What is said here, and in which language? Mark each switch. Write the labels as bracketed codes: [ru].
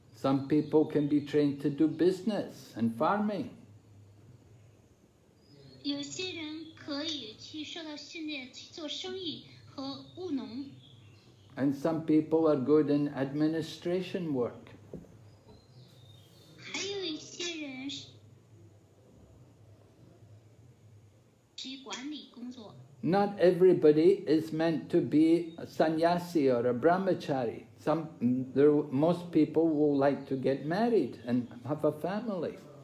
[en] Some people can be trained to do business and farming. [zh] 有些人可以去受到训练去做生意和务农。 [en] And some people are good in administration work. [zh] 还有一些人去管理工作。 [en] Not everybody is meant to be a sannyasi or a brahmachari. Most people will like to get married and have a family.